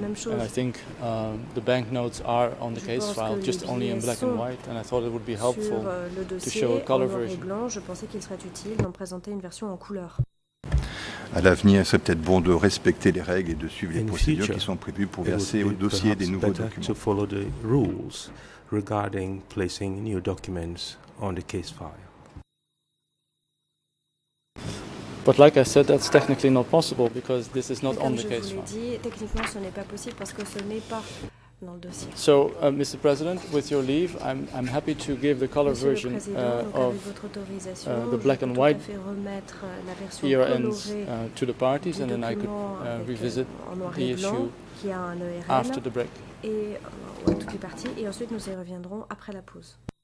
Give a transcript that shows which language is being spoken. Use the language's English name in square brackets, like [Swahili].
[English] And I think the banknotes are on the case file, just only in black and white, and I thought it would be helpful to show a color version. [French] Je pensais qu'il serait utile d'en présenter une version en couleur. À l'avenir, c'est peut-être bon de respecter les règles et de suivre les procédures qui sont prévues pour verser au dossier des nouveaux documents. [English] To follow the rules regarding placing new documents on the case file. But like I said, that's technically not possible because this is not on the case file. [French] Comme je vous l'ai dit, techniquement, ce n'est pas possible parce que ce n'est pas dans le dossier. [English] So, Mr. President, with your leave, I'm happy to give the color version of the black and white ERNs to the parties, and then I could revisit the issue after the break. [French] Et à toutes les parties, et ensuite nous y reviendrons après la pause.